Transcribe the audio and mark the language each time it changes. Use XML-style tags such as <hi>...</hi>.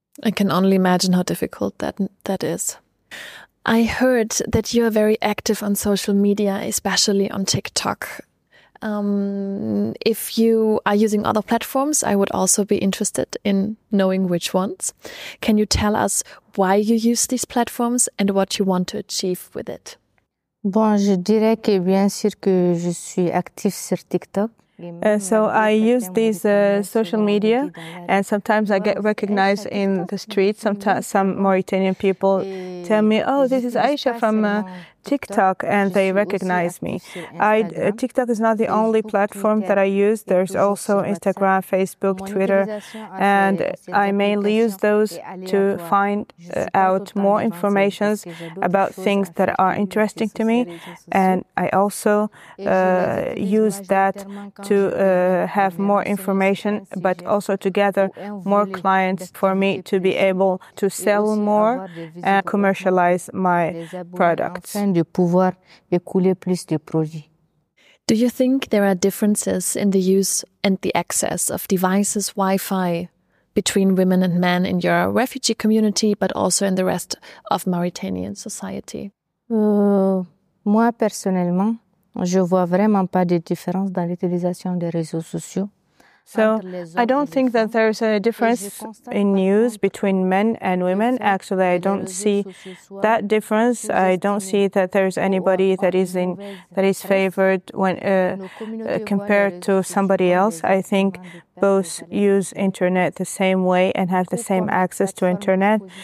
<en>I can only imagine how difficult that is. I heard that you are very active on social media, especially on TikTok. If you are using other platforms, I would also be interested in knowing which ones. Can you tell us why you use these platforms and what you want to achieve with it?</en> <fr>Bon, je dirais que bien sûr que je suis active sur TikTok.</fr> <en>So I use these social media, and sometimes I get recognized in the street. Sometimes some Mauritanian people tell me, oh, this is Aisha from TikTok, and they recognize me. TikTok is not the only platform that I use. There's also Instagram, Facebook, Twitter, and I mainly use those to find out more information about things that are interesting to me, and I also use that to have more information, but also to gather more clients for me to be able to sell more and commercialize my products.</en> <fr>Pouvoir écouler plus de produits.</fr> <en>Do you think there are differences in the use and the access of devices, Wi-Fi, between women and men in your refugee community, but also in the rest of Mauritanian society?</en> <fr>Moi personnellement, je vois vraiment pas de différence dans l'utilisation des réseaux sociaux.</fr> <en>So I don't think that there's a difference in use between men and women. Actually, I don't see that difference. I don't see that there's anybody that is favored when compared to somebody else. I think both use internet the same way and have the same access to internet.</en>